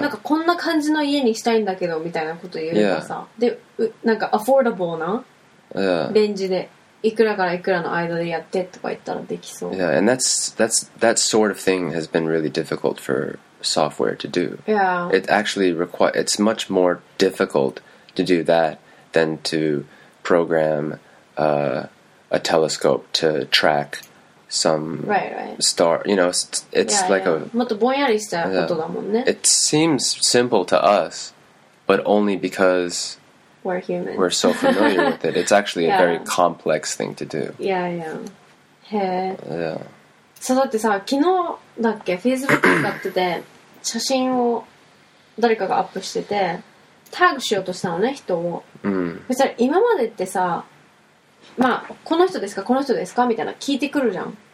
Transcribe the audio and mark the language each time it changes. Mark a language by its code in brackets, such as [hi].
[ja] なんかこんな感じの家にしたいんだけどみたいなこと言えばさ。 [en] Yeah. [ja] で、なんか affordable な、 [en] yeah. [ja] レンジでいくらからいくらの間でやってとか言ったらできそう。 [en] Yeah, and that sort of thing has been really difficult for software to do. Yeah. It actually it's much more difficult to do that than to program a telescope to track some star. You know, it's [ja] もっとぼんやりしたことだもんね。 [en] It seems simple to us, but only because we're human. We're so familiar with it. It's actually a very complex thing to do. Yeah, yeah. へえ。 Yeah. [ja] そうだってさ、昨日だっけ、Facebook 使ってて写真を誰かがアップしてて、タグしようとしたのね、人を。うん、そしたら今までってさ、まあこの人ですかこの人ですかみたいな聞いてくるじゃん、